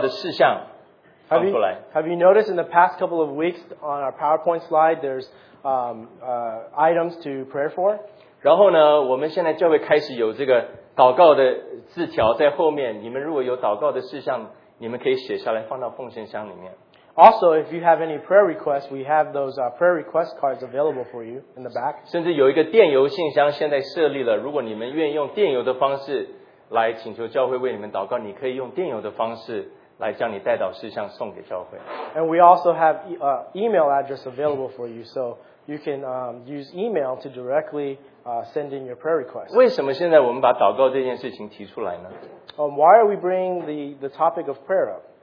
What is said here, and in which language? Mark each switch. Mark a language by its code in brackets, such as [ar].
[zh] 你们有没有注意到，过去两三个礼拜开始，我们在主日敬拜之前有祷告的事项放出来。 [en] Have you noticed in the past couple of weeks on our PowerPoint slide, there's items to pray for? [zh] 然后呢，我们现在教会开始有这个祷告的字条在后面。你们如果有祷告的事项，你们可以写下来放到奉献箱里面。 [en] Also, if you have any prayer requests, we have those prayer request cards available for you in the back. [zh] 甚至有一个电邮信箱现在设立了，如果你们愿意用电邮的方式来请求教会为你们祷告，你可以用电邮的方式来将你带到事项送给教会。 [en] And we also have email address available for you, so you can use email to directly send in your prayer request. [zh] 为什么现在我们把祷告这件事情提出来呢？ [en] Why are we bringing the topic of prayer up?